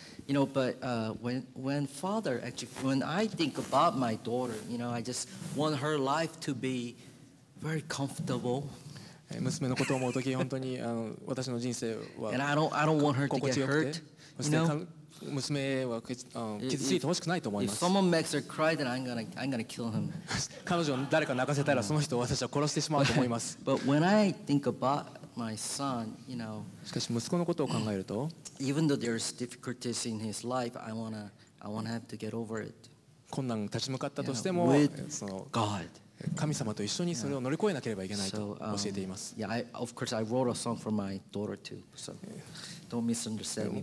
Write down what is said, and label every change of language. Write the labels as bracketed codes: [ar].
[en] You know, but when father actually, when I think about my daughter, you know, I just want her life to be very comfortable. [ja] 娘のことを思うとき、本当に私の人生は心地よくて、 [en] And I don't want her to get hurt, you know? [ja] 娘は傷ついてほしくないと思います。 [en] If someone makes her cry, then I'm gonna kill him. [ja] 彼女を誰か泣かせたらその人を私は殺してしまうと思います。 [en] But when I think about my son, you know, [ja] しかし息子のことを考えると、 [en] Even though there's difficulties in his life, I wanna have to get over it. [ja] 困難に立ち向かったとしても、 [en] With God. [ja] 神様と一緒にそれを乗り越えなければいけないと教えています。 [en] Yeah, of course I wrote a song for my daughter too, so. Don't misunderstand me.